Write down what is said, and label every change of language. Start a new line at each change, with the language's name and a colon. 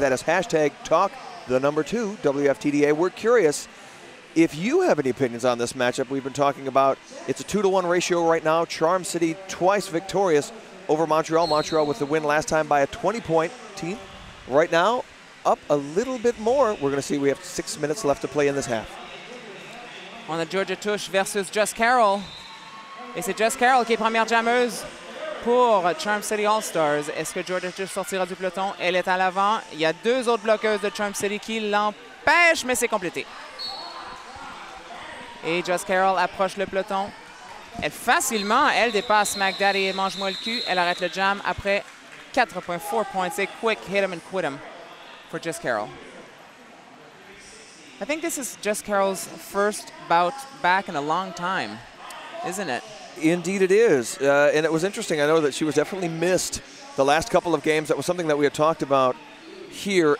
English: That is hashtag talk the number 2 WFTDA. We're curious if you have any opinions on this matchup we've been talking about. It's a 2-to-1 ratio right now. Charm City twice victorious over Montreal. Montreal with the win last time by a 20-point team. Right now, up a little bit more. We're going to see. We have 6 minutes left to play in this half.
French: On a Georgia Touche versus Just Carol. Et c'est Just Carol qui est première jammeuse pour Charm City All-Stars. Est-ce que Georgia Touche sortira du peloton? Elle est à l'avant. Il y a 2 autres bloqueuses de Charm City qui l'empêchent, mais c'est complété. Et Just Carol approche le peloton. Elle facilement, elle dépasse Mac Daddy et mange-moi le cul. Elle arrête le jam après 4.4 points.
English: C'est quick, hit him and quit him for Just Carol. I think this is Just Carol's first bout back in a long time, isn't it? Indeed it is. And it was interesting. I know that she was definitely missed the last couple of games. That was something that we had talked about here.